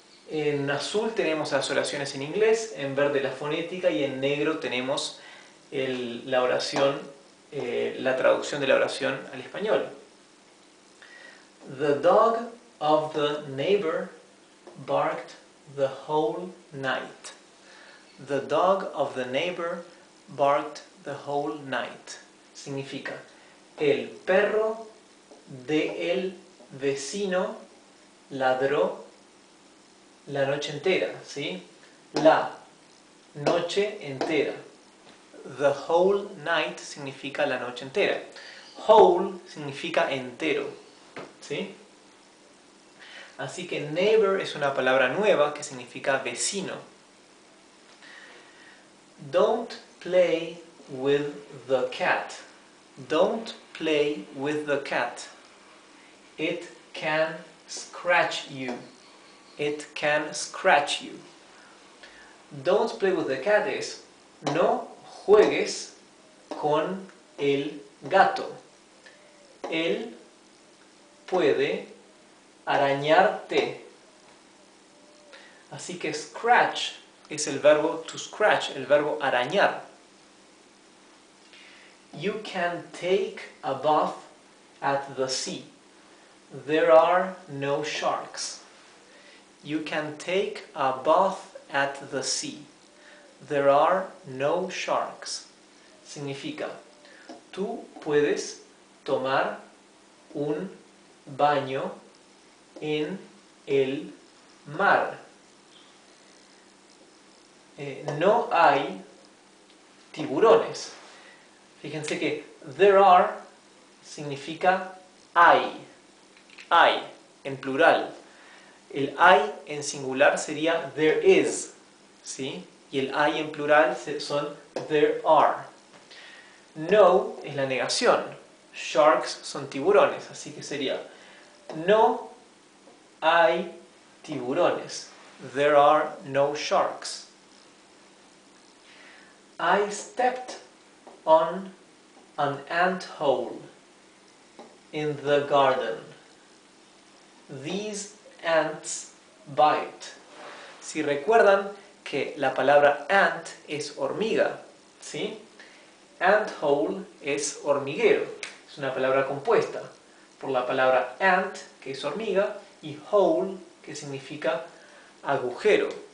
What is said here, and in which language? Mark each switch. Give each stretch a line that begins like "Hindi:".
Spanish: En azul tenemos las oraciones en inglés, en verde la fonética y en negro tenemos la traducción de la oración al español.
English: The dog of the neighbor barked the whole night. The dog of the neighbor barked the whole night.
Spanish: Significa, el perro del vecino ladró la noche entera, ¿sí? La noche entera.
English: The whole night
Spanish: significa la noche entera. Whole significa entero, ¿sí? Así que neighbor es una palabra nueva que significa vecino.
English: Don't play with the cat. Don't play with the cat. It can scratch you. It can scratch you. Don't play with the cat is
Spanish: no juegues con el gato. Él puede arañarte. Así que scratch es el verbo to scratch, el verbo arañar.
English: You can take a bath at the sea. There are no sharks. You can take a bath at the sea. There are no sharks.
Spanish: Significa, tú puedes tomar un baño en el mar. No hay tiburones. Fíjense que there are significa hay. Hay en plural. El hay en singular sería there is, ¿sí? Y el I en plural son there are. No es la negación. Sharks son tiburones. Así que sería, no hay tiburones.
English: There are no sharks. I stepped on an ant hole in the garden. These ants bite.
Spanish: Si recuerdan que la palabra ant es hormiga, ¿sí? Ant hole es hormiguero, es una palabra compuesta por la palabra ant, que es hormiga, y hole, que significa agujero.